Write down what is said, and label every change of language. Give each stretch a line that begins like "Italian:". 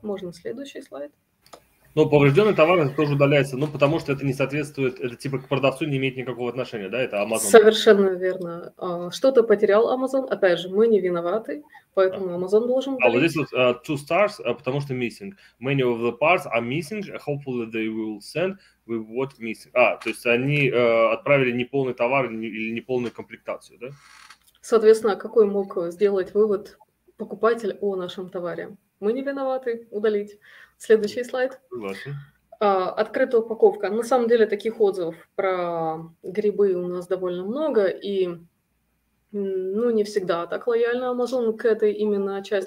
Russian: Можно следующий слайд. Ну, поврежденный товар тоже удаляется, ну, потому что это не соответствует, это типа к продавцу не имеет никакого отношения, да, это Amazon. Совершенно верно. Что-то потерял Amazon, опять же, мы не виноваты, поэтому Amazon должен удалить. А вот здесь вот 2 stars, потому что missing.
English: Many of the parts are missing, hopefully they will send with what missing.
Russian: А, то есть они отправили неполный товар или неполную комплектацию, да? Соответственно, какой мог сделать вывод покупатель о нашем товаре? Мы не виноваты, удалить. Следующий слайд. Открытая упаковка. На самом деле таких отзывов про грибы у нас довольно много, и ну, не всегда так лояльно Amazon к этой именно части